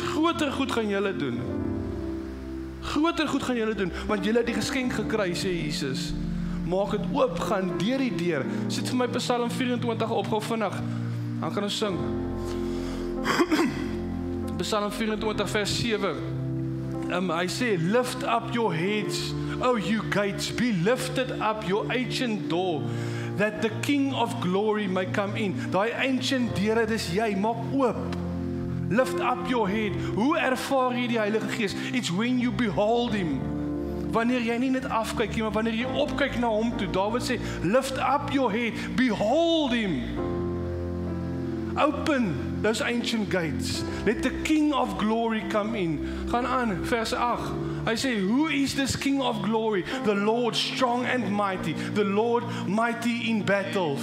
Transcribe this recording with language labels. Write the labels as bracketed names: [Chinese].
[Afrikaans] Groter goed gaan julle doen. Groter goed gaan julle doen. Want julle het die geskenk gekry, sê Jesus. Maak het oop. Gaan deur die deur. Sit vir my Psalm 24 op gou vinnig. Dan kan ons sing. Psalm 24 vers 7. [English] I say, lift up your heads, O you gates, be lifted up your ancient door, that the King of glory may come in. Thy ancient [Afrikaans] deur, dit is jy, maak oop. [English] Lift up your head. [Afrikaans] Hoe ervaar jy die Heilige Gees? [English] It's when you behold him. [Afrikaans] Wanneer jy nie net afkyk nie, maar wanneer jy opkyk na hom toe. [English] David sê, lift up your head, behold him. Open those ancient gates. Let the King of glory come in. [Afrikaans] Gaan aan, vers 8. Hy sê, [English] who is this King of glory? The Lord strong and mighty. The Lord mighty in battle.